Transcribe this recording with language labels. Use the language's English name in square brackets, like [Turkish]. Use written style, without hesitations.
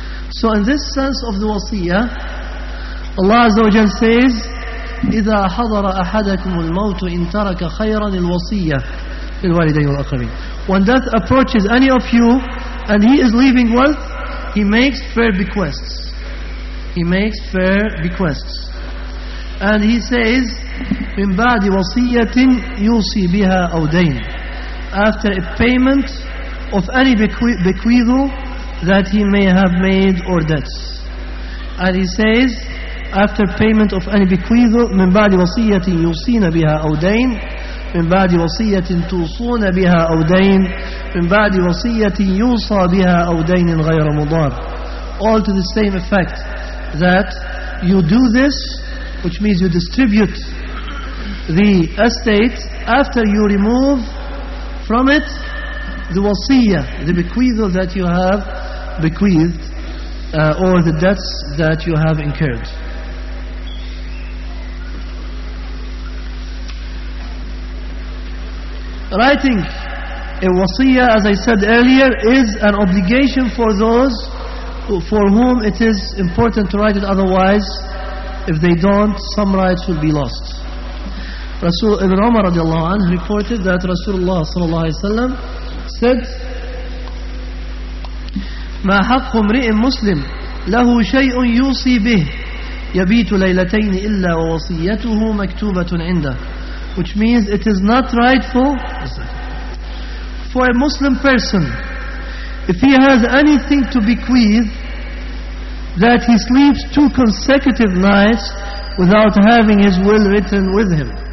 [English] So in this sense of the wasiyya, Allah Azza wa Jalla says, [Arabic] إذا حضر أحدكم الموت إن ترك خيرا الوصية للوالدين والأقربين. [English] When death approaches any of you and he is leaving wealth, he makes fair bequests. He makes fair bequests. And he says, [Arabic] من بعد وصية يوصي بها أو دين. [English] After a payment of any bequeathal that he may have made or debts. And he says, after payment of any bequeathal, [Arabic] من بعد وصية يوصين بها أو دين, من بعد وصية توصون بها أو دين, من بعد وصية يوصى بها أو دين غير مضار. [English] All to the same effect, that you do this, which means you distribute the estate after you remove from it the wasiyya, the bequeathal that you have bequeathed, or the debts that you have incurred. Writing a wasiyya, as I said earlier, is an obligation for those for whom it is important to write it, otherwise if they don't, some rights will be lost. Rasul Ibn Umar radiallahu anhu reported that Rasulullah sallallahu alaihi wasallam said, [Arabic] ما حق امرئ مسلم له شيء يوصي به يبيت ليلتين إلا ووصيته مكتوبة عنده. [English] Which means it is not rightful for a Muslim person if he has anything to bequeath that he sleeps two consecutive nights without having his will written with him.